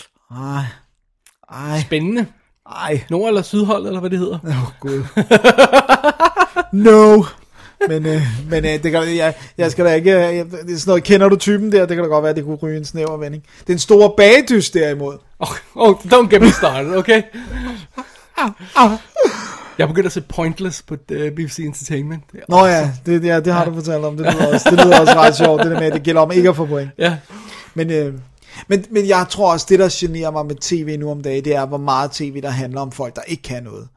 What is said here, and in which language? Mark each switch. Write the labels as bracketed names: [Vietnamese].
[Danish] Nej. Spændende. Nej. Nord- eller Sydhold, eller hvad det hedder? Åh, gud. No. Men det kan, jeg skal da ikke, det er sådan noget, kender du typen der? Det kan da godt være, det kunne ryge en snæver vending. Det er en stor bagdyst derimod. [English] Oh, don't get me started, okay? [Danish] Jeg begynder at se Pointless på BBC Entertainment. Det Nå ja, det har du fortalt om. Det lyder også ret sjovt, det der med, at det gælder om ikke at få point. Ja. Men jeg tror også, det der generer mig med tv nu om dagen, det er, hvor meget tv, der handler om folk, der ikke kan noget.